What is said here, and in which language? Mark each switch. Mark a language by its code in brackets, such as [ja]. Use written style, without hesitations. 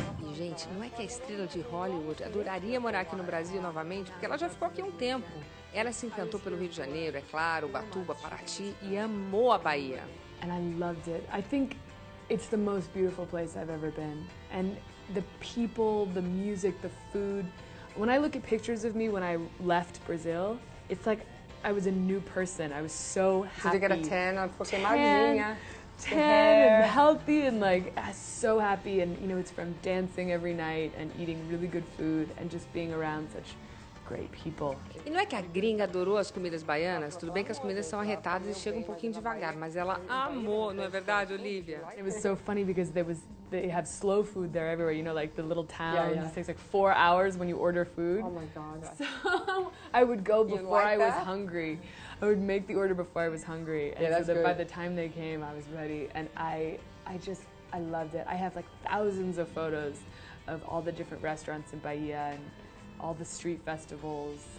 [pt] E, gente, não é que a estrela de Hollywood adoraria morar aqui no Brasil novamente, porque ela já ficou aqui um tempo. Ela se encantou pelo Rio de Janeiro, é claro, Ubatuba, Paraty, e amou a Bahia. [en] And I loved it. I think it's the most beautiful place I've ever been. And the people, the music, the food. When I look at pictures of me when I left Brazil, it's like I was a new person. I was so happy. Did you get a tan? Okay, magrinha. Tan and healthy and like so happy. And you know, it's from dancing every night and eating really good food and just being around such great people. [pt] E não é que a gringa adorou as comidas baianas? Tudo bem que as comidas são arretadas e chegam um pouquinho devagar, mas ela amou, não é verdade, Olivia? [en] It was so funny because they have slow food there everywhere, you know, like the little town. Yeah, yeah. It takes like 4 hours when you order food. Oh my God. So I would go before I was hungry. I would make the order before I was hungry. And yeah, that's so good. By the time they came, I was ready. And I loved it. I have like thousands of photos of all the different restaurants in Bahia and all the street festivals.